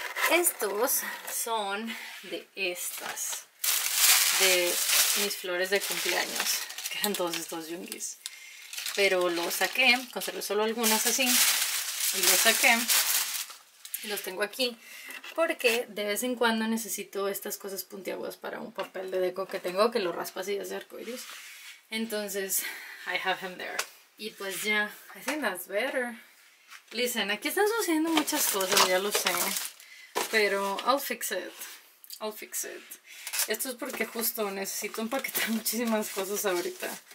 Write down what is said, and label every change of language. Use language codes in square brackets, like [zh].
[es] Estos son de estas, de mis flores de cumpleaños, que eran todos estos yungis. Pero los saqué, conservé solo algunas así, y los saqué, y los tengo aquí, porque de vez en cuando necesito estas cosas puntiagudas para un papel de deco que tengo, que lo raspas y hace arcoíris. Entonces, [en] I have them there. [es] Y pues ya, [en] I think that's better. [es] Listen, aquí están sucediendo muchas cosas, ya lo sé. [en] Pero I'll fix it. [es] Esto es porque justo necesito empaquetar muchísimas cosas ahorita.